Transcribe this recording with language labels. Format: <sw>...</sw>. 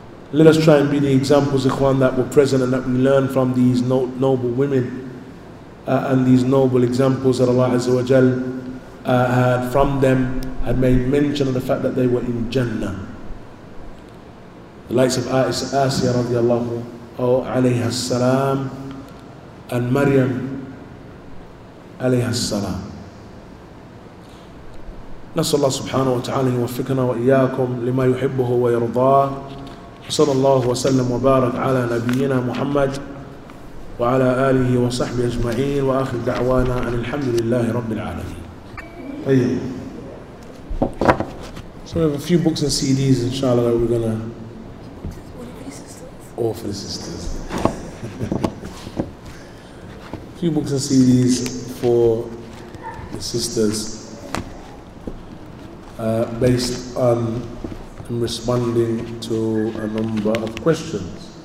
<en>Let us try and be the examples, Ikhwan, that were present and that we learn from these noble women and these noble examples that Allah Azza wa Jal had from them, had made mention of the fact that they were in Jannah. The likes of Asiya radiallahu alayha salam and Maryam alayha salam.</en> <ar>نسأل الله سبحانه وتعالى أن يوفقنا وإياكم لما يحبه ويرضاه صلى الله وسلم وبارك على نبينا محمد وعلى آله وصحبه أجمعين، وآخر دعوانا أن الحمد لله رب العالمين. طيب.</ar> <en>So we have a few books and CDs, inshallah, that we're gonna. All for the sisters. A few books and CDs for the sisters, based on responding to a number of questions.</en>